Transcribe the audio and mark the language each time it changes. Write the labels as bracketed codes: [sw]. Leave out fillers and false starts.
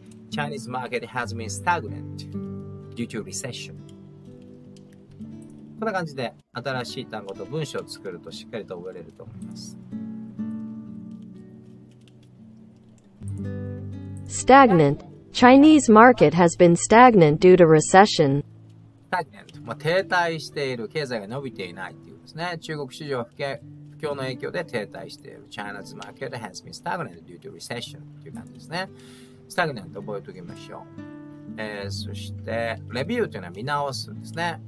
[en] Chinese market has been stagnant due to recession。 [ja] こんな感じで新しい単語と文章を作るとしっかりと覚えれると思います。 [en] stagnant。 Chinese market has been stagnant due to recession。 stagnant。 [ja] まあ、停滞している、経済が伸びていないというですね。中国市場は不況の影響で停滞している。 [en] China's market has been stagnant due to recession [ja] という感じですね。スタグネント覚えておきましょう。そしてレビューというのは見直すんですね。